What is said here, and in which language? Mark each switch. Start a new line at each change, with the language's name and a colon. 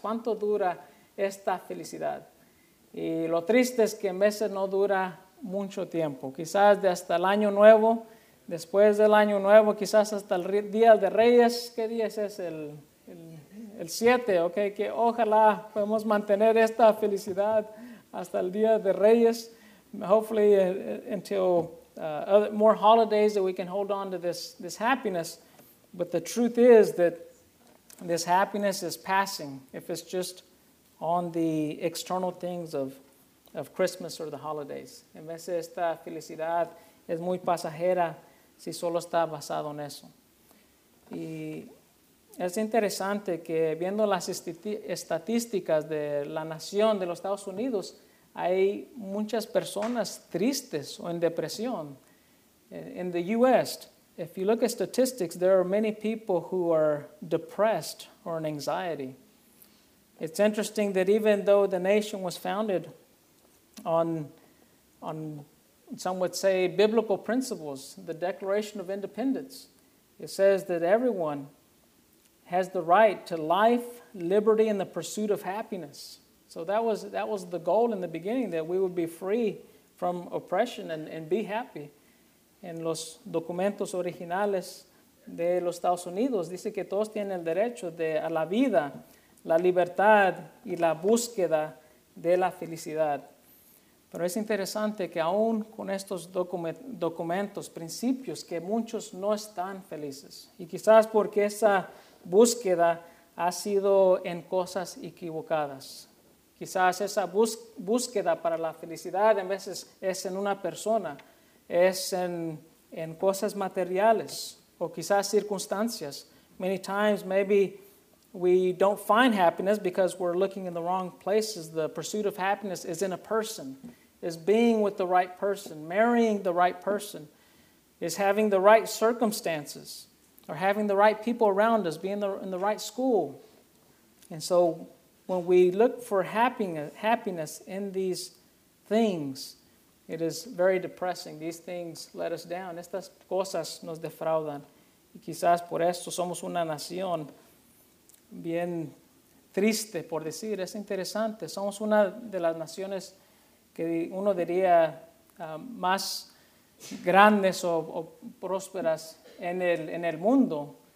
Spanish: ¿Cuánto dura esta felicidad? Y lo triste es que en veces no dura mucho tiempo. Quizás de hasta el año nuevo, después del año nuevo, quizás hasta el día de Reyes. ¿Qué día es ese? El 7, ok. Que ojalá podamos mantener esta felicidad hasta el día de Reyes.
English: Hopefully until more holidays that we can hold on to this happiness. But the truth is that this happiness is passing if it's just on the external things of Christmas or the holidays.
Spanish: En vez de esta felicidad es muy pasajera si solo está basado en eso. Y es interesante que viendo las estadísticas de la nación de los Estados Unidos, hay muchas personas tristes o en depresión.
English: In the U.S., if you look at statistics, there are many people who are depressed or in anxiety. It's interesting that even though the nation was founded on some would say, biblical principles, the Declaration of Independence, it says that everyone has the right to life, liberty, and the pursuit of happiness. So that was the goal in the beginning, that we would be free from oppression and be happy.
Spanish: En los documentos originales de los Estados Unidos, dice que todos tienen el derecho a la vida, la libertad y la búsqueda de la felicidad. Pero es interesante que aún con estos documentos, principios, que muchos no están felices. Y quizás porque esa búsqueda ha sido en cosas equivocadas. Quizás esa búsqueda para la felicidad en veces es en una persona, es en cosas materiales o quizás circunstancias.
English: Many times maybe we don't find happiness because we're looking in the wrong places. The pursuit of happiness is in a person, is being with the right person, marrying the right person. is having the right circumstances or having the right people around us, being in the right school. And so when we look for happiness in these things, it is very depressing. These things let us down.
Spanish: Estas cosas nos defraudan. Y quizás por esto somos una nación bien triste, por decir. Es interesante. Somos una de las naciones que uno diría más grandes o prósperas en el mundo.